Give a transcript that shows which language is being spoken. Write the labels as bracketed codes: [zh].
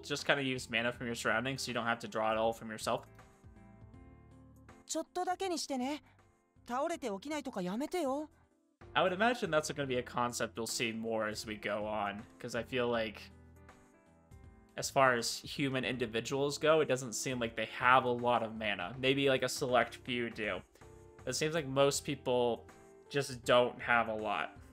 [en] Just kind of use mana from your surroundings so you don't have to draw it all from yourself. [ja] ちょっとだけにしてね。倒れて起きないとかやめてよ。 [en] I would imagine that's going to be a concept we'll see more as we go on, because I feel like as far as human individuals go, it doesn't seem like they have a lot of mana. Maybe like a select few do. It seems like most people just don't have a lot.